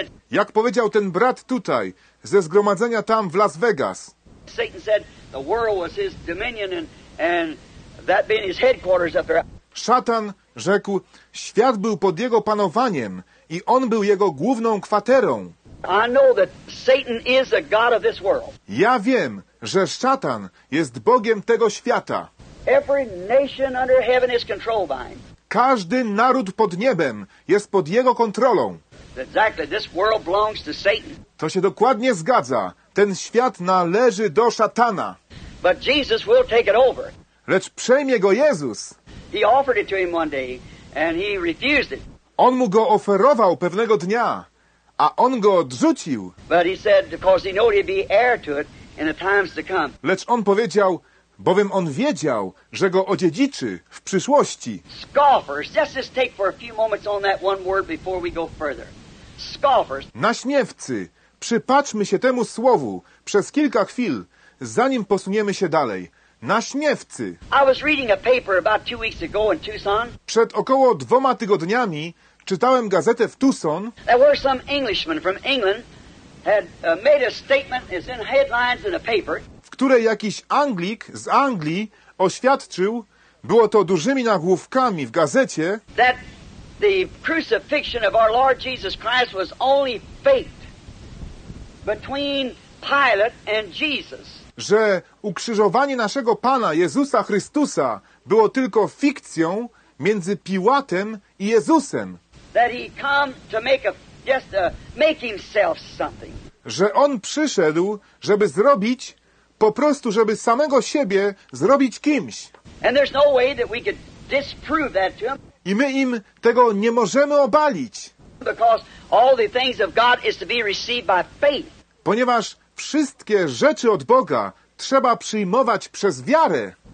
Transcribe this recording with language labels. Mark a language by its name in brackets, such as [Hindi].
[Polish] Jak powiedział ten brat tutaj, ze zgromadzenia tam w Las Vegas, [English] Satan said the world was his dominion and that being his headquarters up there. [Polish] Szatan rzekł, świat był pod jego panowaniem i on był jego główną kwaterą. [English] I know that Satan is the god of this world. [Polish] Ja wiem, że szatan jest bogiem tego świata. [English] Every nation under heaven is controlled by him. [Polish] Każdy naród pod niebem jest pod jego kontrolą. [English] Exactly. This world belongs to Satan. [Polish] To się dokładnie zgadza. Ten świat należy do szatana. [English] But Jesus will take it over. [Polish] Lecz przejmie go Jezus. [English] He offered it to him one day, and he refused it. [Polish] On mu go oferował pewnego dnia, a on go odrzucił. [English] But he said, because he knew he'd be heir to it in the times to come. [Polish] Lecz on powiedział, bowiem on wiedział, że go odziedziczy w przyszłości. [English] Scoffers, let's just take for a few moments on that one word before we go further. Scoffers. [Polish] Naśmiewcy, przypatrzmy się temu słowu przez kilka chwil, zanim posuniemy się dalej. Naśmiewcy. [English] I was reading a paper about 2 weeks ago in Tucson. [Polish] Przed około 2 tygodniami czytałem gazetę w Tucson. [English] There were some Englishmen from England had made a statement is in headlines in a paper. [Polish] W której jakiś Anglik z Anglii oświadczył, było to dużymi nagłówkami w gazecie, [English] that the crucifixion of our Lord Jesus Christ was only faked between Pilate and Jesus. [Polish] Że ukrzyżowanie naszego Pana Jezusa Chrystusa było tylko fikcją między Piłatem i Jezusem. [English] That he come to make a, just to make himself something. [Polish] Że on przyszedł, żeby zrobić, po prostu, żeby samego siebie zrobić kimś. [English] And there's no way that we could disprove that to him. [Polish] I my im tego nie możemy obalić. [English] Because all the things of God is to be received by faith. [Polish] Ponieważ wszystkie rzeczy od Boga trzeba przyjmować przez wiarę.